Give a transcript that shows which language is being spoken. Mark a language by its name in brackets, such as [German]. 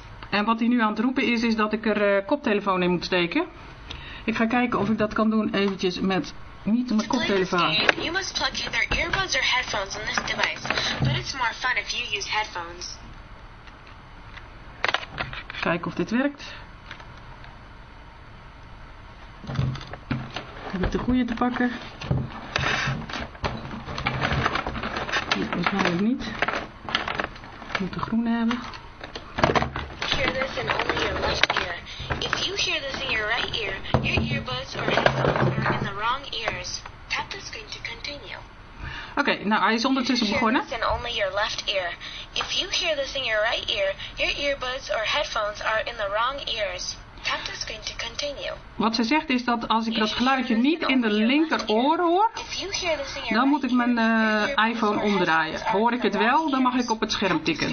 [Dutch] En wat hij nu aan het roepen is dat ik er koptelefoon in moet steken. Ik ga kijken of ik dat kan doen eventjes met niet mijn koptelefoon. [English] You must plug either earbuds or headphones in this device. But it's more fun if you use headphones. [Dutch] Kijken of dit werkt. Heb ik de goede te pakken? Nee, waarschijnlijk niet. Ik moet de groene hebben. [English] Hear this in only your left ear. If you hear this in your right ear, your earbuds or headphones are in the wrong ears. Tap the screen to continue. [Dutch] Oké, nou hij is ondertussen begonnen. [English] This in only your left ear. If you hear this in your right ear, your earbuds or headphones are in the wrong ears. Tap the screen to continue. [Dutch] Wat ze zegt is dat als ik dat geluidje niet in de linkeroor hoor, dan moet ik mijn iPhone omdraaien. Hoor ik het wel, dan mag ik op het scherm tikken.